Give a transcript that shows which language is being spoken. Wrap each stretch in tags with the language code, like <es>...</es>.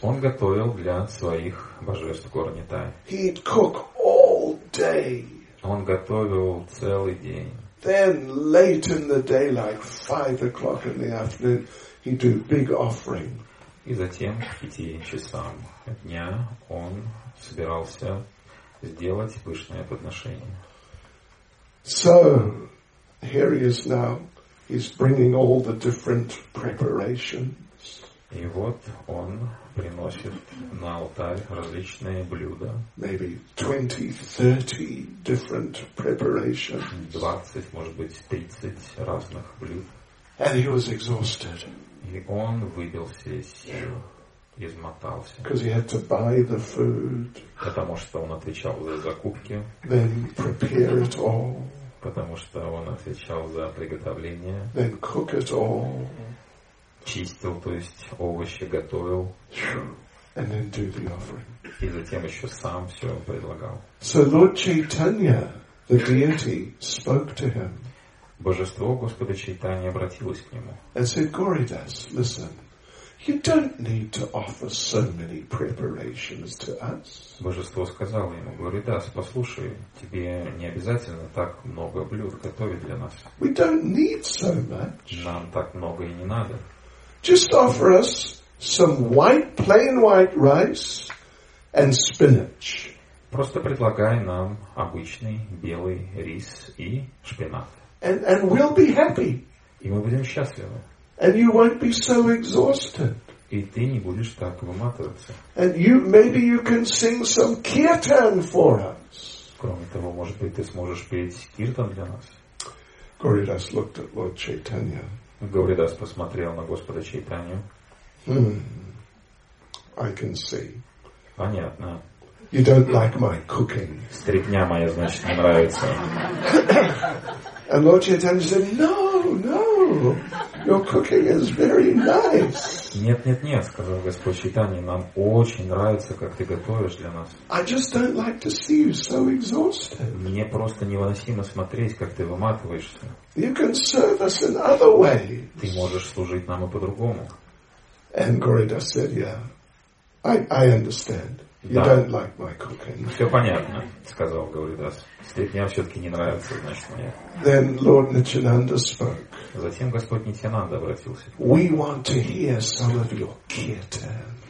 <ru>Он готовил для своих божеств Горнитай.</ru> <en>He'd cook all day.</en> <ru>Он готовил целый день.</ru> <en>Then late in the day, like 5 o'clock in the afternoon, he'd do big offering.</en> <ru>И затем к 5 часам дня он собирался сделать пышное подношение.</ru> <en>So here he is now. He's bringing all the different preparations.</en> <ru>И вот он приносит на алтарь различные блюда.</ru> <en>Maybe 20-30 different preparations.</en> <ru>20, может быть, 30 разных блюд.</ru> <en>And he was exhausted.</en> <ru>И он выбился из сил, измотался.</ru> <en>Because he had to buy the food.</en> <ru>Потому что он отвечал за закупки.</ru> <en>Then prepare it all.</en> <ru>Потому что он отвечал за приготовление.</ru> <en>Then cook it all.</en> <ru>Чистил, то есть овощи готовил.</ru> <en>And then do the offering.</en> <ru>И затем еще сам все предлагал.</ru> <en>So Lord Chaitanya, the deity, spoke to him.</en> <ru>Божество Господа Чайтаньи обратилось к нему.</ru> <en>And said, Goridas, listen. You don't need to offer so many preparations to us.</en> <ru>Божество сказало ему, Горидас, послушай, тебе не обязательно так много блюд готовить для нас.</ru> <en>We don't need so much.</en> <ru>Нам так много и не надо.</ru> <en>Just offer us some white, plain white rice and spinach.</en> <ru>Просто предлагай нам обычный белый рис и шпинат.</ru> <en>And we'll be happy.</en> <ru>И мы будем счастливы.</ru> <en>And you won't be so exhausted.</en> <ru>И ты не будешь так выматываться.</ru> <en>And you maybe you can sing some kirtan for us.</en> <ru>Кроме того, может быть, ты сможешь петь киртан для нас.</ru> <en>Goridas looked at Lord Chaitanya.</en> <ru>Goridas посмотрел на Господа Чайтанью.</ru> <en>I can see.</en> <ru>Понятно.</ru> <en>You don't like my cooking.</en> <ru>Стряпня моя, значит, не нравится.</ru> <en>And Lord Chaitanya said, No, no. your cooking is very nice.</en> <ru>Нет, нет, нет, сказал Господь Читание, нам очень нравится, как ты готовишь для нас.</ru> <en>I just don't like to see you so exhausted.</en> <ru>Мне просто невыносимо смотреть, как ты выматываешься.</ru> <en>You can serve us in other ways.</en> <ru>Ты можешь служить нам и по-другому.</ru> <en>And Gorida said, yeah, I understand. You</en> <ru>да.</ru> <en>Don't like my cooking.</en> <ru>Все понятно, сказал Гауридас. Стрипня все-таки не нравится, значит, моя.</ru> <en>Then Lord Nityananda spoke.</en> <ru>Затем Господь Нитянанда обратился.</ru> <en>We want to hear some of your kirtan.</en>